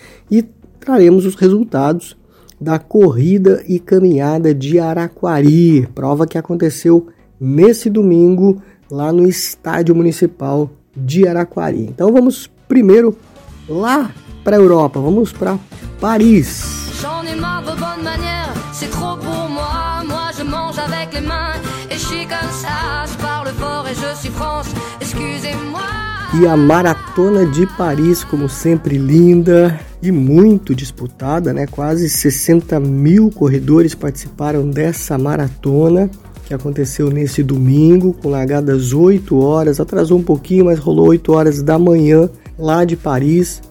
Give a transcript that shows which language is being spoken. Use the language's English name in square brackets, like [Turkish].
[Portuguese] E traremos os resultados da Corrida e Caminhada de Araquari, prova que aconteceu nesse domingo lá no Estádio Municipal de Araquari. Então vamos primeiro lá para a Europa, vamos para Paris. [French] J'en ai marre de bonne manière, c'est trop pour moi. Moi je mange avec les mains et je suis comme ça. Je parle fort et je suis France, excusez-moi. [Portuguese] E a Maratona de Paris, como sempre, linda e muito disputada, né? Quase 60 mil corredores participaram dessa maratona, que aconteceu nesse domingo, com largada às 8 horas. Atrasou um pouquinho, mas rolou 8 horas da manhã lá de Paris.